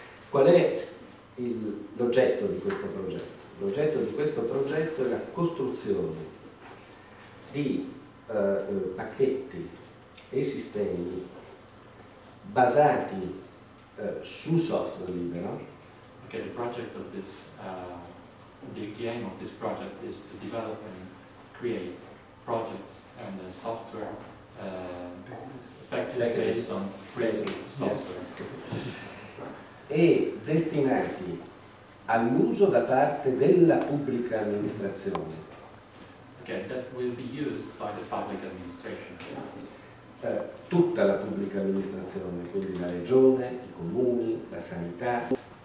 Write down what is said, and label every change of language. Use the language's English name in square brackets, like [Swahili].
[Italian] Qual è l'oggetto di questo progetto? L'oggetto di questo progetto è la costruzione di pacchetti e sistemi basati su software libero. [English] Okay, the project of this, the aim of this project is to develop and create projects and software effectively based on free software. Yes. [Italian] E destinati all'uso da parte della pubblica amministrazione. [English] Okay, that will be used by the public administration. [Italian] Tutta la pubblica amministrazione, quindi la regione, i comuni, la sanità.